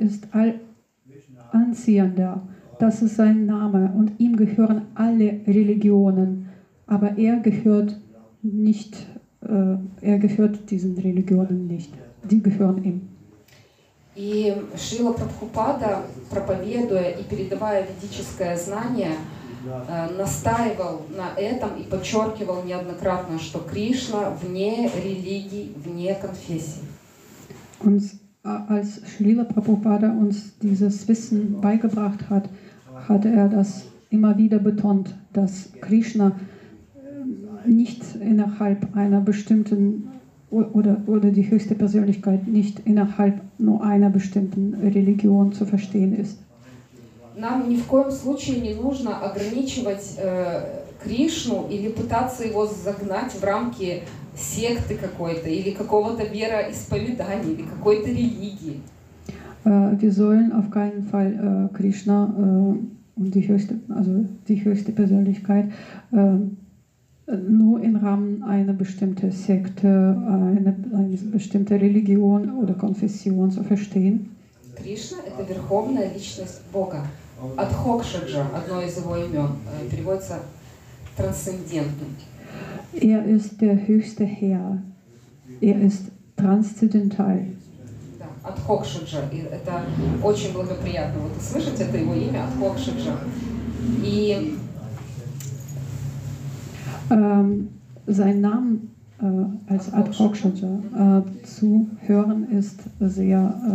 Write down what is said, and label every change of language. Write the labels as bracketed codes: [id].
[de] Er ist Allanziehender. Das ist sein Name und ihm gehören alle Religionen, aber er gehört nicht. Er gehört diesen Religionen nicht. Die gehören ihm. [ru] И Шрила Прабхупада, проповедуя и передавая ведическое знание, настаивал на этом и подчеркивал неоднократно, что Кришна вне религий, вне конфессий. [de] Und als Шрила Прабхупада uns dieses Wissen beigebracht hat, hat er das immer wieder betont, dass Krishna nicht innerhalb einer bestimmten oder die höchste Persönlichkeit nicht innerhalb nur einer bestimmten Religion zu verstehen ist. [ru] Нам ни в коем случае не нужно ограничивать Кришну или пытаться его загнать в рамки секты какой-то или какого-то вероисповедания или какой-то религии. [de] Wir sollen auf keinen Fall Krishna und die höchste Persönlichkeit nur im Rahmen einer bestimmten Sekte, eine bestimmte Religion oder Konfession zu verstehen. Krishna ist die höchste [ru] Личность Бога. Адхокшаджа, одно из его имен, переводится трансцендентным. [de] Er ist der höchste Herr. Er ist transzendental. [ru] Да, Адхокшаджа. Это очень благоприятно. Вот услышать это его имя, Адхокшаджа. И [de] sein Namen als Adhokshaja zu hören ist sehr